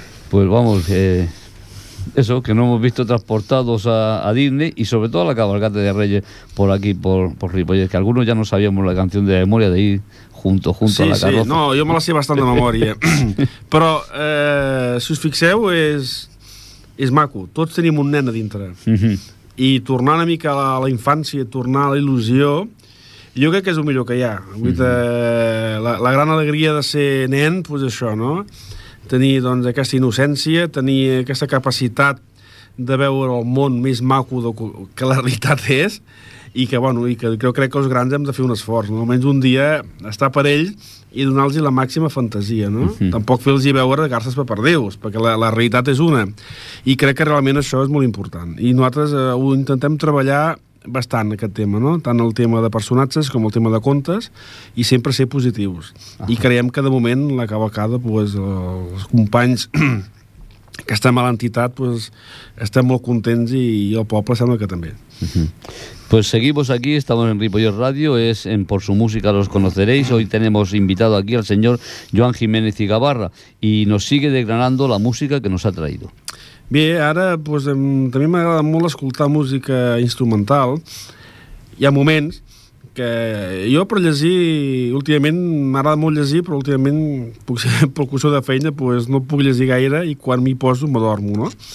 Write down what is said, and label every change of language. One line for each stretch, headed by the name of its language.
Spanish: pues vamos, eso, que no hemos visto transportados a Disney y sobre todo a la cabalgata de Reyes por aquí, por Ripollet, que algunos ya no sabíamos la canción de memoria de ir junto sí, a la carroza.
Catalan: Sí, no, jo me la sé bastant de memòria. Però, si us fixeu, és maco. Tots tenim un nen a dintre. I tornar una mica a la infància, tornar a la il·lusió, jo crec que és el millor que hi ha. La gran alegria de ser nen, doncs això, no? Tenir, doncs, aquesta innocència, tenir aquesta capacitat de veure el món més maco que la realitat és, i que, bueno, i que jo crec que els grans hem de fer un esforç, no? Almenys un dia estar per ells i donar-los la màxima fantasia, no? Uh-huh. Tampoc fer-los veure garses per perdius, perquè la realitat és una. I crec que realment això és molt important. I nosaltres ho intentem treballar bastant, aquest tema, no? Tant el tema de personatges com el tema de contes, i sempre ser positius. Uh-huh. I creiem que, de moment, la cavalcada, pues, els companys... que estem a l'entitat, pues, estem molt contents i el poble sembla que també. Uh-huh.
Spanish: Pues seguimos aquí, estamos en Ripollet Radio, es en Por su música los conoceréis. Hoy tenemos invitado aquí al señor Joan Jiménez Igabarra y nos sigue desgranando la música que nos ha traído.
Catalan: Bé, ara pues, també m'agrada molt escoltar música instrumental. Hi ha moments que jo per llegir, últimament m'agrada molt llegir, però últimament per qüestió de feina pues, no puc llegir gaire i quan m'hi poso m'adormo, no?